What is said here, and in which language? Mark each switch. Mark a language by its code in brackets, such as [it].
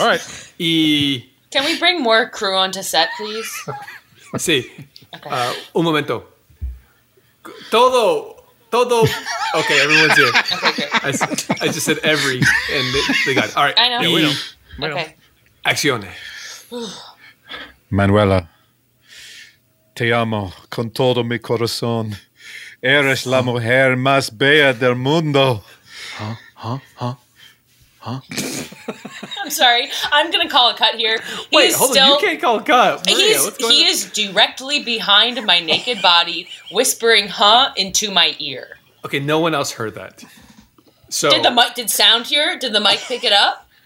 [en] All right. Can we bring more crew onto set, please? [es] Sí. Okay. Un momento. Todo. [en] Okay, everyone's here. Okay. I just said every, and they got it. All right. I know. Yeah, we know. Okay. [es] Acciones. Manuela, te amo con todo mi corazón. Eres la mujer más bella del mundo. [en] Huh? I'm sorry. I'm going to call a cut here. You can't call a cut. Maria, he is directly behind my naked body, whispering huh into my ear. Okay, no one else heard that. So did sound hear? Did the mic pick it up?